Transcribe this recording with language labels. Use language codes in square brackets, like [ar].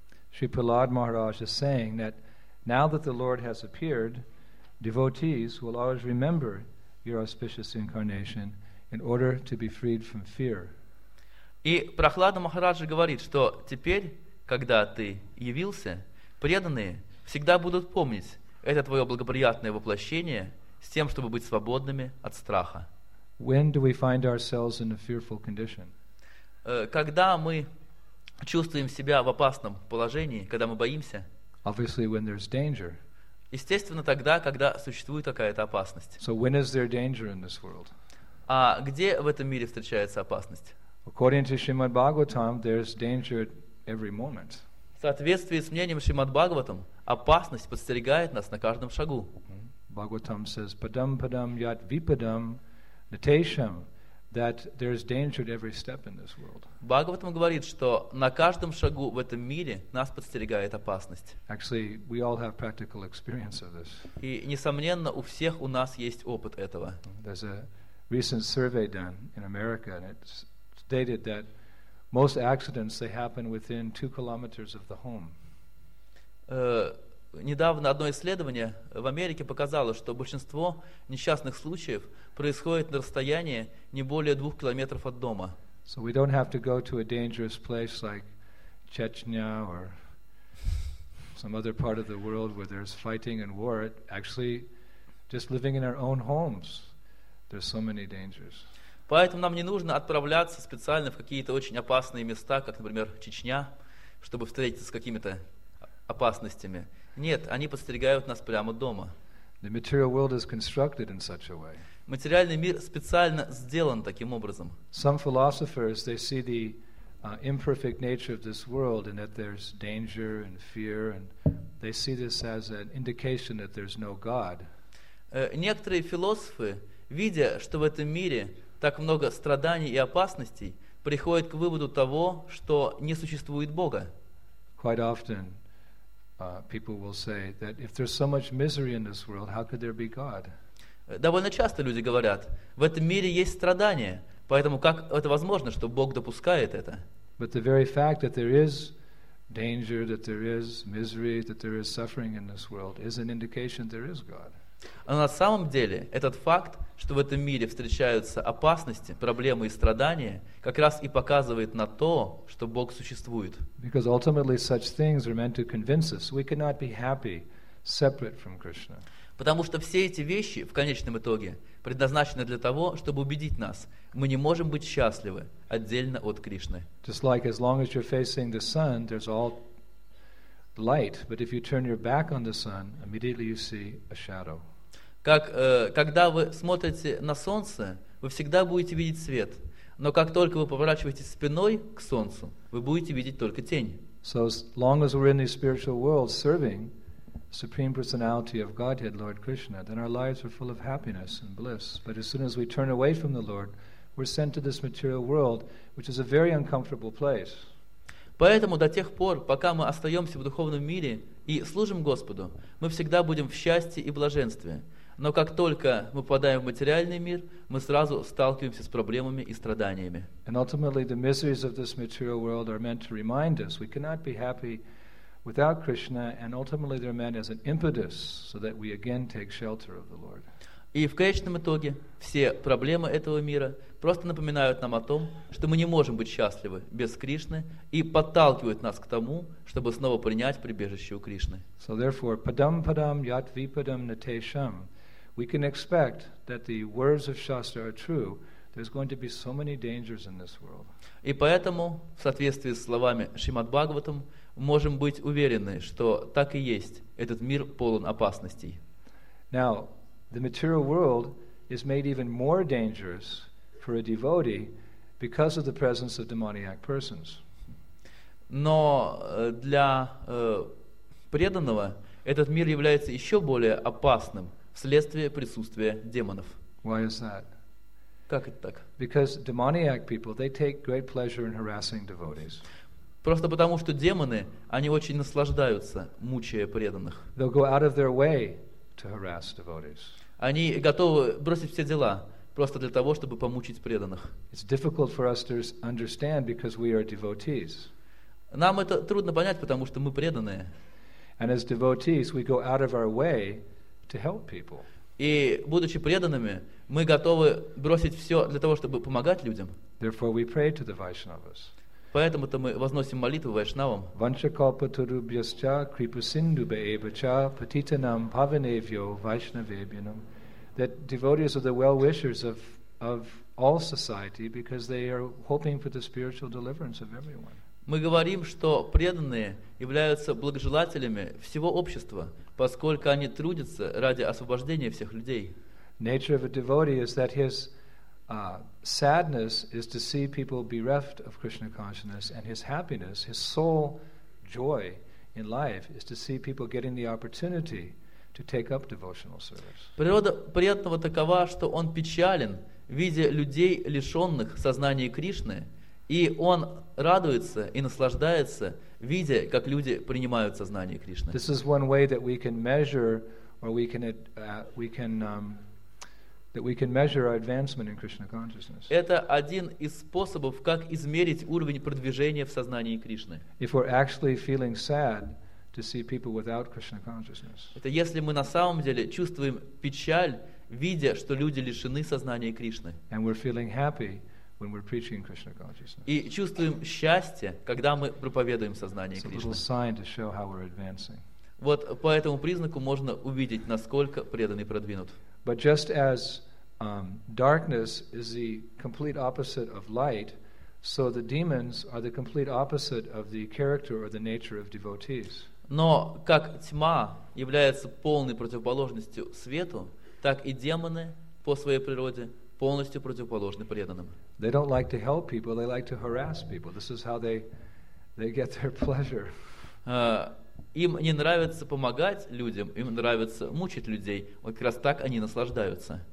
[en] Shri Prahlad Maharaj is saying that now that the Lord has appeared, devotees will always remember your auspicious incarnation in order to be freed from fear. [ru] И Прахлада Махараджа говорит, что теперь, когда ты явился, преданные всегда будут помнить это твое благоприятное воплощение с тем, чтобы быть свободными от страха. [en] When do we find ourselves in a fearful condition? [ru] Когда мы чувствуем себя в опасном положении, когда мы боимся? [en] Obviously, when there's danger. [ru] Естественно, тогда, когда существует какая-то опасность. [en] So when is there danger in this world? [ru] А где в этом мире встречается опасность? [en] According to Shrimad Bhagavatam, there's danger at every moment. [ru] В соответствии с мнением Шримад Бхагаватам, опасность подстерегает нас на каждом шагу. [en] Бхагаватам says, [sa] padam padam yat vipadam natesham, [en] that there's danger at every step in this world. [ru] Бхагаватам говорит, что на каждом шагу в этом мире нас подстерегает опасность. [en] Actually, we all have practical experience of this. [ru] И несомненно, у всех у нас есть опыт этого. [en] There's a recent survey done in America, and it's stated that most accidents, they happen within 2 kilometers of the home. [ru] Недавно одно исследование в Америке показало, что большинство несчастных случаев происходит на расстоянии не более 2 километров от дома. [en] So we don't have to go to a dangerous place like Chechnya or some other part of the world where there's fighting and war. Actually, just living in our own homes, there's so many dangers. [ru] Поэтому нам не нужно отправляться специально в какие-то очень опасные места, как, например, Чечня, чтобы встретиться с какими-то опасностями. Нет, они подстерегают нас прямо дома. [en] The material world is constructed in such a way. [ru] Материальный мир специально сделан таким образом. [en] Some philosophers, they see the imperfect nature of this world and that there's danger and fear, and they see this as an indication that there's no God. [ru] Некоторые философы, видя, что в этом мире так много страданий и опасностей, приходит к выводу того, что не существует Бога. [en] Quite often, people will say that if there's so much misery in this world, how could there be God? [ru] Довольно часто люди говорят, в этом мире есть страдания, поэтому как это возможно, что Бог допускает это? [en] But the very fact that there is danger, that there is misery, that there is suffering in this world is an indication there is God. [ru] А на самом деле, этот факт, что в этом мире встречаются опасности, проблемы и страдания, как раз и показывает на то, что Бог существует. [en] Because ultimately such things are meant to convince us we cannot be happy separate from Krishna. [ru] Потому что все эти вещи в конечном итоге предназначены для того, чтобы убедить нас, мы не можем быть счастливы отдельно от Кришны. [en] Just like as long as you're facing the sun, there's all light, but if you turn your back on the sun, immediately you see a shadow. [ru] Как когда вы смотрите на солнце, вы всегда будете видеть свет, но как только вы поворачиваетесь спиной к солнцу, вы будете видеть только тень. [en] So as long as we're in the spiritual world serving Supreme Personality of Godhead, Lord Krishna, then our lives are full of happiness and bliss. But as soon as we turn away from the Lord, we're sent to this material world, which is a very uncomfortable place. [ru] Поэтому до тех пор, пока мы остаемся в духовном мире и служим Господу, мы всегда будем в счастье и блаженстве. Но как только мы попадаем в материальный мир, мы сразу сталкиваемся с проблемами и страданиями. [en] And ultimately the miseries of this material world are meant to remind us we cannot be happy without Krishna, and ultimately they're meant as an impetus so that we again take shelter of the Lord. [ru] И в конечном итоге все проблемы этого мира просто напоминают нам о том, что мы не можем быть счастливы без Кришны и подталкивают нас к тому, чтобы снова принять прибежище у Кришны. [en] So therefore, [sa] padam padam yat vipadam natesham, [en] we can expect that the words of Shastra are true. There's going to be so many dangers in this world. [ru] И поэтому, в соответствии с словами Шримад Бхагаватам, можем быть уверены, что так и есть. Этот мир полон опасностей. [en] Now, the material world is made even more dangerous for a devotee because of the presence of demoniac persons. [ru] Но для преданного этот мир является еще более опасным вследствие присутствия демонов. [en] Why is that? [ru] Как это так? [en] Because demoniac people, they take great pleasure in harassing devotees. [ru] Просто потому, что демоны, они очень наслаждаются, мучая преданных. [en] They'll go out of their way to harass devotees. [ru] Они готовы бросить все дела просто для того, чтобы помучить преданных. [en] It's difficult for us to understand because we are devotees. [ru] Нам это трудно понять, потому что мы преданные. [en] And as devotees, we go out of our way to help people. [ru] И будучи преданными, мы готовы бросить все для того, чтобы помогать людям. [en] Therefore we pray to the Vaishnavas. [ru] Поэтому-то мы возносим молитву вайшнавам. [sa] Ванчакалпатурубьясча крипусиндубеебача патитанам павеневьо вайшнавебьянам. [en] That devotees are the well-wishers of all society because they are hoping for the spiritual deliverance of everyone. [ru] Мы говорим, что преданные являются благожелателями всего общества, поскольку они трудятся ради освобождения всех людей. [en] Nature of a devotee is that his sadness is to see people bereft of Krishna consciousness, and his happiness, his sole joy in life, is to see people getting the opportunity to take up devotional service. [ru] Природа преданного такова, что он печален, видя людей, лишенных сознания Кришны, и он радуется и наслаждается, видя, как люди принимают сознание Кришны. [en] This is one way that we can measure, or we can measure our advancement in Krishna consciousness. [ru] Это один из способов, как измерить уровень продвижения в сознании Кришны. [en] If we're actually feeling sad to see people without Krishna consciousness. [ru] Это если мы на самом деле чувствуем печаль, видя, что люди лишены сознания Кришны. [en] And we're feeling happy when we're preaching Krishna consciousness. [ru] И чувствуем счастье, когда мы проповедуем сознание Кришны. [en] It's a little sign to show how we're advancing. [ru] Вот по этому признаку можно увидеть, насколько преданный продвинут. [en] But just as darkness is the complete opposite of light, so the demons are the complete opposite of the character or the nature of devotees. [ru] Но как тьма является полной противоположностью свету, так и демоны по своей природе полностью противоположны преданным. [en] They don't like to help people, they like to harass people. This is how they get their pleasure. [ru] Им не нравится помогать людям, им нравится мучить людей. Вот как раз так они наслаждаются.